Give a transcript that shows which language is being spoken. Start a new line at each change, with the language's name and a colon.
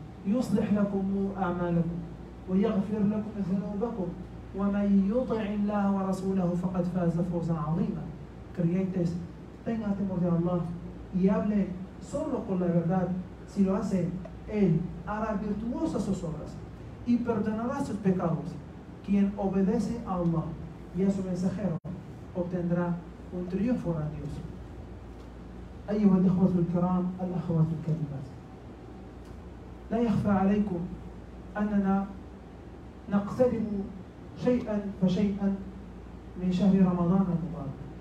Arabic: يصلح لكم أعمالكم ويغفر لكم ذنوبكم ومن يطع الله ورسوله فقد فاز فوزا عظيما.
Spanish: Creyentes, tengan temor de Allah y hable solo con la verdad. Si lo hace, Él hará virtuosas sus obras y perdonará sus pecados. Quien obedece a Allah y a su mensajero obtendrá un triunfo grandioso.
Arabic: أيها الإخوة الكرام الأخوات الكريمات, لا يخفى عليكم أننا نقترب شيئا فشيئا من شهر رمضان المبارك.